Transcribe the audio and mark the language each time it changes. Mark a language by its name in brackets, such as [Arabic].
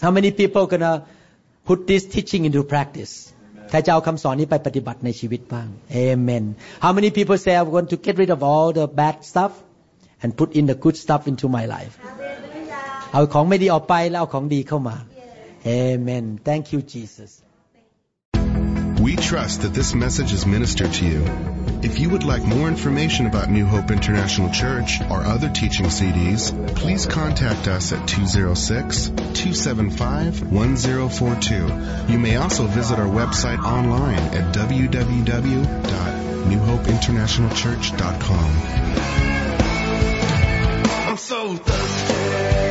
[English] How many people gonna put this teaching into practice? [Thai] ใครจะเอาคำสอนนี้ไปปฏิบัติในชีวิตบ้าง Amen. [English] How many people say I want to get rid of all the bad stuff and put in the good stuff into my life? [Thai] เอาของไม่ดีออกไปแล้วเอาของดีเข้ามา Amen. [English] Thank you, Jesus. We trust that this message is ministered to you. If you would like more information about New Hope International Church or other teaching CDs, please contact us at 206-275-1042. You may also visit our website online at www.newhopeinternationalchurch.com. I'm so thirsty.